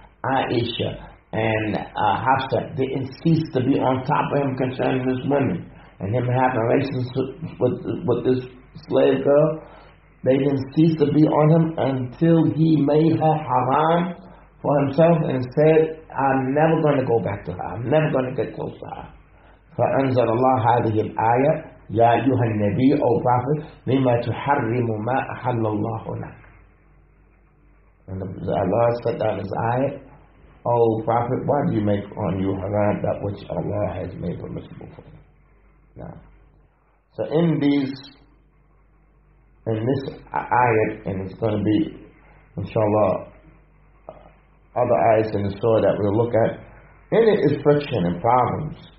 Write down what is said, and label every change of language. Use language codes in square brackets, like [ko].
[en] Aisha and Hafsa didn't cease to be on top of him concerning this woman and him having relations with this slave girl. They didn't cease to be on him until he made her haram for himself and said, I'm never going to go back to her. I'm never going to get close to her. [ar] فَأَنْزَلَ اللَّهُ هَذِهِ الْآيَةِ يَا أَيُّهَا النَّبِيُّ أَوْ Prophet, لِمَا تُحَرِّمُ مَا أَحَلَّ اللَّهُ لَكَ. [en] And Allah said that in His ayah, O Prophet, why do you make on you haram that which Allah has made permissible for you? Now, so in this ayah, and it's going to be, inshallah, other ayahs in the story that we'll look at, in it is friction and problems.